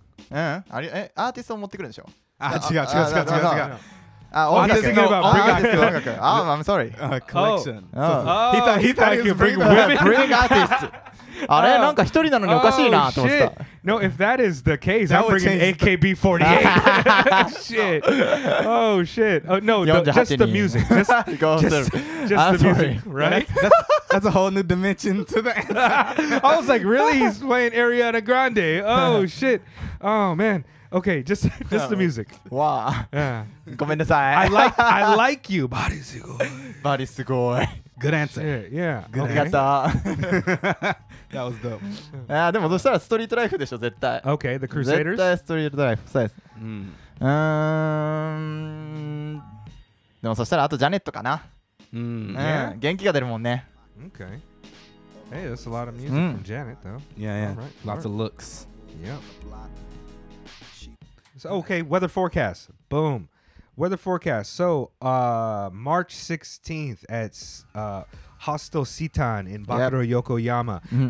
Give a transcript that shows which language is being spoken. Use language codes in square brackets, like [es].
[ja] あれ、アーティストを持ってくるんでしょ？あ、違う。あ、音楽。アーティスト音楽。 [en] あ、I'm sorry. Collection. He thought you bring women. Bring artists. [ja] あれ、なんか一人なのにおかしいなと思った。 [en] No, if that is the case, I'm bringing AKB48. Shit. Oh, shit. Oh, no, just the music. Just the music, right? That's a whole new dimension to the answer. I was like, really? He's playing Ariana Grande. Oh, shit. Oh, man. Okay, just the music. Wow. Yeah. [ja] ごめんなさい. [en] I like you. [ja] Body すごい. [en] Good answer. Yeah. Good answer. Okay. That was dope. [ja] でもそしたらストリートライフでしょ、絶対。 [en] Okay, the Crusaders? [ja] 絶対ストリートライフ。そうです。でもそしたらあとジャネットかな。元気が出るもんね。 [en] Okay. Hey, that's a lot of music from Janet, though. Yeah. All right. Lots of looks. Yep. So, okay, weather forecast. Boom. Weather forecast. So, March 16th at Hostel Sitan in Bakuro, yep. Yokoyama, mm-hmm.